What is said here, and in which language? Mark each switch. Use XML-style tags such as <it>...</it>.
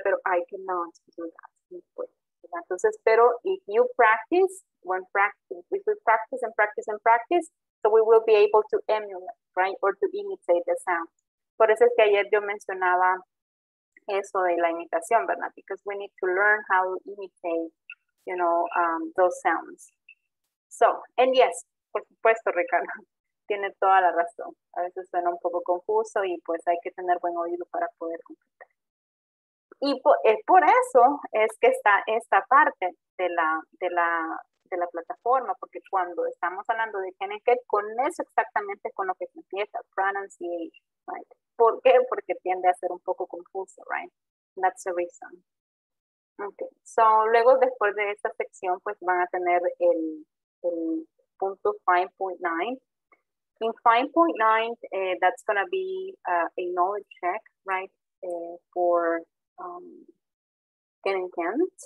<en>Pero I cannot do that.</en> <es>Entonces, pero</es> <en>if you practice, we practice, so we will be able to emulate, right? Or to imitate the sound.</en> <es>Por eso es que ayer yo mencionaba eso de la imitación, ¿verdad?</es> <en>Because we need to learn how to imitate, you know, those sounds. So, and yes,</en> <es>por supuesto, Ricardo. Tiene toda la razón. A veces suena un poco confuso y pues hay que tener buen oído para poder completar. Y por eso es que está esta parte de la plataforma, porque cuando estamos hablando de can and can, con eso exactamente es con lo que se empieza, pronunciation, right? ¿Por qué? Porque tiende a ser un poco confuso, right?</es> <en>That's the reason.</en> <es>Okay. So, luego, después de esta sección, pues van a tener el punto 5.9.</es> <en>In 5.9, that's going to be a knowledge check, right, for Ken and Ken.</en>